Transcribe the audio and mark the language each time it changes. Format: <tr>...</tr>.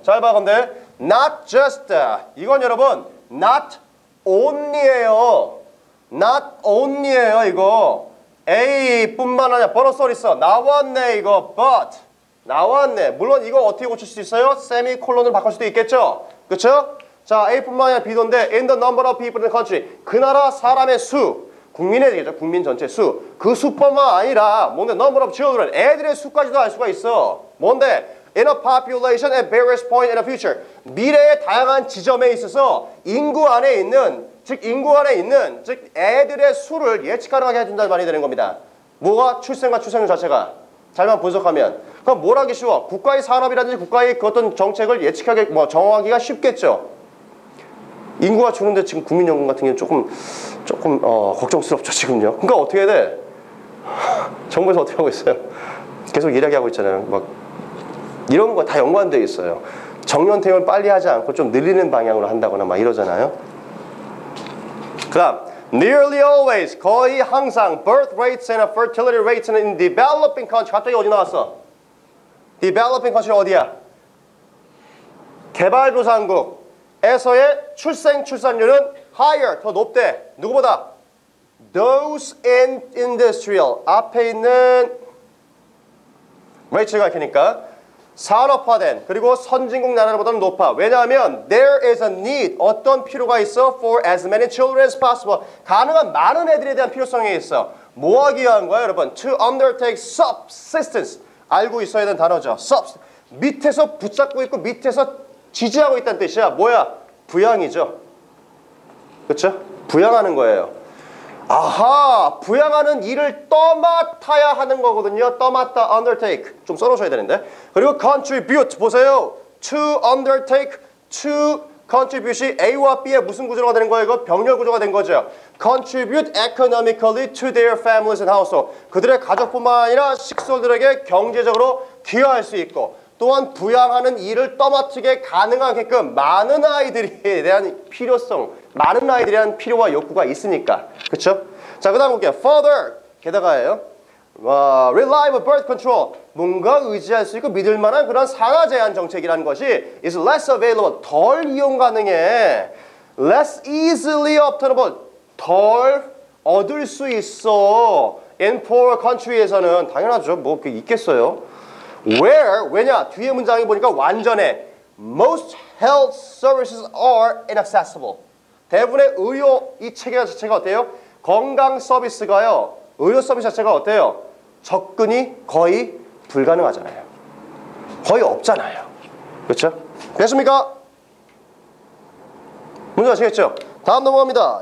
<ko>잘 봐, 근데.</ko> <en>Not just.</en> <ko>이건 여러분,</ko> <en>not only</en> <ko>예요.</ko> <en>Not only</en> <ko>예요, 이거. A뿐만 아니라, 번호썰 있어. 나왔네, 이거.</ko> <en>But.</en> <ko>나왔네. 물론 이거 어떻게 고칠 수 있어요? 세미콜론을 바꿀 수도 있겠죠? 그쵸? 자, A뿐만 아니라 B도인데,</ko> <en>in the number of people in the country.</en> <ko>그 나라 사람의 수. 국민의 얘기죠. 국민 전체 수. 그 수뿐만 아니라, 뭔데,</ko> <en>number of children.</en> <ko>애들의 수까지도 알 수가 있어. 뭔데,</ko> <en>in a population at various points in the future.</en> <ko>미래의 다양한 지점에 있어서, 인구 안에 있는, 즉, 인구 안에 있는, 즉, 애들의 수를 예측 가능하게 해준다는 말이 되는 겁니다. 뭐가 출생과 출산율 자체가? 잘만 분석하면. 그럼 뭘 하기 쉬워? 국가의 산업이라든지 국가의 그 어떤 정책을 예측하게, 뭐, 정하기가 쉽겠죠. 인구가 주는데 지금 국민연금 같은 게 조금 걱정스럽죠 지금요. 그러니까 어떻게 해야 돼? 정부에서 어떻게 하고 있어요? 계속 이야기하고 있잖아요. 막 이런 거 다 연관돼 있어요. 정년 퇴임을 빨리 하지 않고 좀 늘리는 방향으로 한다거나 막 이러잖아요.</ko> <en>그다음 nearly always</en> <ko>거의 항상</ko> <en>birth rates and fertility rates in developing countries</en> <ko>갑자기 어디 나왔어?</ko> <en>Developing countries</en> <ko>어디야? 개발도상국. 에서의 출생 출산율은</ko> <en>higher,</en> <ko>더 높대.</ko> <en>누구보다? Those in industrial.</en> <ko>앞에 있는 레이츠가 이렇게니까 산업화된 그리고 선진국 나라보다는 높아.</ko> <en>왜냐하면 there is a need.</en> <ko>어떤 필요가 있어?</ko> <en>For as many children as possible.</en> <ko>가능한 많은 애들에 대한 필요성이 있어. 뭐 하기 위한 거야, 여러분?</ko> <en>To undertake subsistence.</en> <ko>알고 있어야 되는 단어죠.</ko> <en>Sub.</en> <ko>밑에서 붙잡고 있고 밑에서 지지하고 있다는 뜻이야. 뭐야? 부양이죠. 그렇죠? 부양하는 거예요. 아하! 부양하는 일을 떠맡아야 하는 거거든요. 떠맡다, undertake. 좀 써놓으셔야 되는데. 그리고 contribute, 보세요.</ko> <en>To undertake, to contribute</en> <ko>이 A와 B의 무슨 구조가 되는 거예요? 이거 병렬 구조가 된 거죠.</ko> <en>Contribute economically to their families and household.</en> <ko>그들의 가족뿐만 아니라 식솔들에게 경제적으로 기여할 수 있고 또한 부양하는 일을 떠맡게 가능하게끔 많은 아이들에 대한 필요성, 많은 아이들에 대한 필요와 욕구가 있으니까. 그렇죠? 자, 그다음 볼게요.</ko> <en>Further,</en> <ko>게다가예요.</ko> <en>Reliable birth control.</en> <ko>뭔가 의지할 수 있고 믿을 만한 그런 산아 제한 정책이라는 것이</ko> <en>is less available,</en> <ko>덜 이용 가능해.</ko> <en>Less easily obtainable,</en> <ko>덜 얻을 수 있어.</ko> <en>In poorer country에서는</en> <ko>당연하죠. 뭐 그게 있겠어요.</ko> <en>Where,</en> <ko>왜냐, 뒤에 문장이 보니까 완전해.</ko> <en>Most health services are inaccessible.</en> <ko>대부분의 의료 이 체계 자체가 어때요? 건강 서비스가요. 의료 서비스 자체가 어때요? 접근이 거의 불가능하잖아요. 거의 없잖아요. 그렇죠? 됐습니까? 문제 아시겠죠? 다음 넘어갑니다.</ko>